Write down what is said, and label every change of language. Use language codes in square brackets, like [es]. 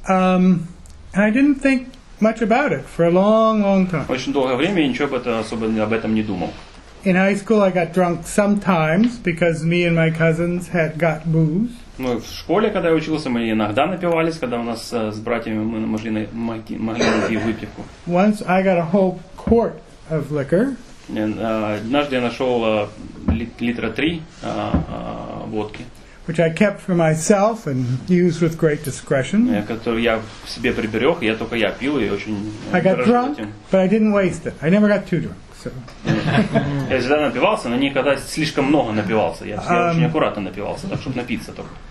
[en] And I didn't think much about it for a long, long time. [ru] Очень долгое время я ничего об этом не думал. [en] In high school I got drunk sometimes because me and my cousins had got booze. [ru] Ну, в школе, когда я учился, мы иногда напивались, когда у нас с братьями мы могли найти выпивку. [en] Once I got a whole quart of liquor. [ru] Однажды я нашел литра 3 водки. [en] Which I kept for myself and used with great discretion. [ru] Которую я в себе приберег, я только я пил и очень. [en] I got drunk, but I didn't waste it. I never got too drunk. [ru] все. Я всегда напивался, но никогда слишком много напивался. Я всегда очень аккуратно напивался, так чтобы напиться только.